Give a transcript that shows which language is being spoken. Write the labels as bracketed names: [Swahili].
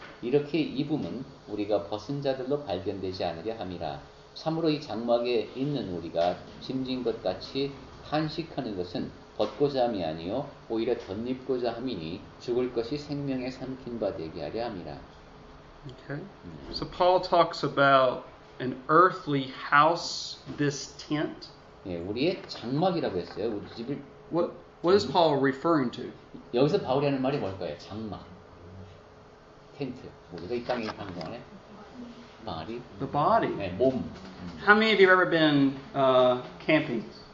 [Korean] 이렇게 입음은 우리가 벗은 자들로 발견되지 않으려 함이라. 참으로 이 장막에 있는 우리가 짐진 것 같이 탄식하는 것은 벗고자 함이 아니요 오히려 덧입고자 함이니 죽을 것이 생명에 삼킨 바 되게 하려 함이라. [English] Okay. So Paul talks about an earthly house, this tent. [Korean] 예, 우리의 장막이라고 했어요. 우리 집을. [English] What is Paul referring to? [Korean] 여기서 바울이 하는 말이 뭘까요? 장막, 텐트. 우리가 이 땅에 있는 동안에. [English] Body. The body. [Korean] 네, 몸. [English] How many of you have ever been camping?